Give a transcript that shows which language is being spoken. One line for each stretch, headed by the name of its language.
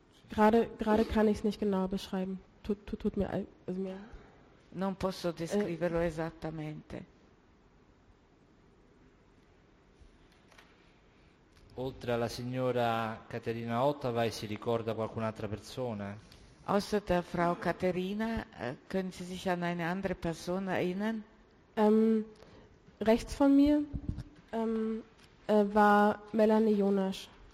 German: Gerade kann ich es nicht genau beschreiben. Tut mir also mir.
Italian: Non posso descriverlo esattamente. Oltre alla signora Caterina Ottowei si ricorda qualcun'altra persona?
German: Außer der Frau Caterina, können Sie sich an eine andere Person erinnern? Rechts von mir war Melanie Jonas.